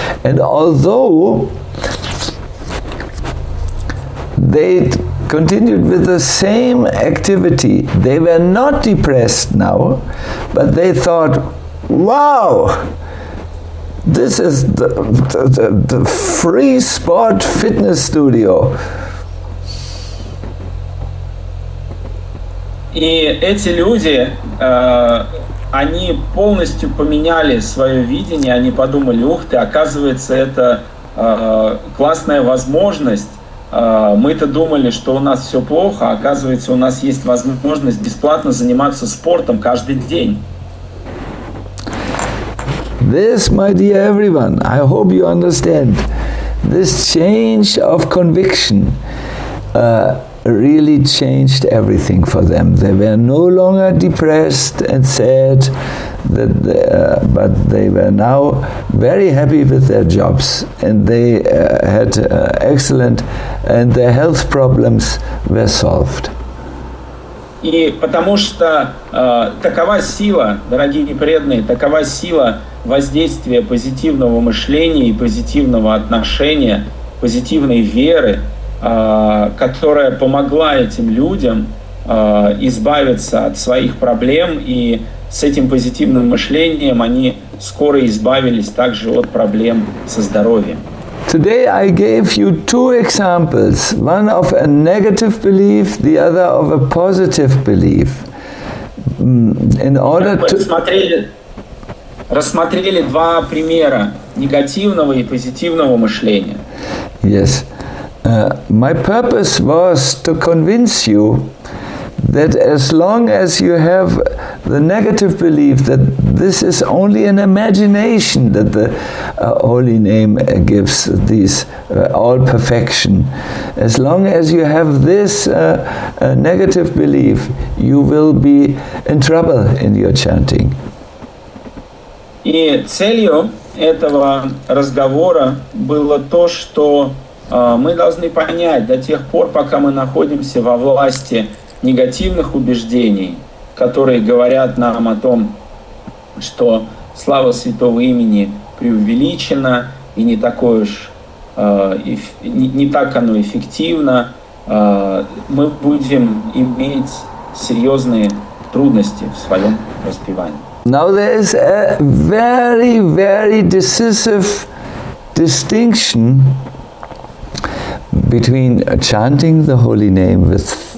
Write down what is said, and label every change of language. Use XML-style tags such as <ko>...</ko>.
<en>And although they continued with the same activity, they were not depressed now, but they thought, wow, this is the free sport fitness studio.</en> <ru>И эти люди, они полностью поменяли свое видение, они подумали, ух ты, оказывается, это классная возможность. Мы-то думали, что у нас все плохо, а оказывается, у нас есть возможность бесплатно заниматься спортом каждый день.</ru> <en>This, my dear everyone, I hope you understand, this change of conviction really changed everything for them. They were no longer depressed and sad, that they, but they were now very happy with their jobs, and they had excellent, and their health problems were solved.</en> <ru>И потому что такова сила, дорогие и преданные, такова сила воздействия позитивного мышления и позитивного отношения, позитивной веры, которая помогла этим людям избавиться от своих проблем, и с этим позитивным мышлением они скоро избавились также от проблем со здоровьем.</ru> <en>Today I gave you two examples, one of a negative belief, the other of a positive belief. In order to...</en> <ru>рассмотрели два примера негативного и позитивного мышления.</ru> <en>Yes. My purpose was to convince you that as long as you have the negative belief that this is only an imagination that the Holy Name gives these all perfection, as long as you have this negative belief, you will be in trouble in your chanting.</en> <ru>И целью этого разговора было то, что мы должны понять, до тех пор, пока мы находимся во власти негативных убеждений, которые говорят нам о том, что слава святого имени преувеличена и не такой уж не так оно эффективно, мы будем иметь серьезные трудности в своем воспевании.</ru> <en>Now there is a very, very decisive distinction between chanting the holy name with</en>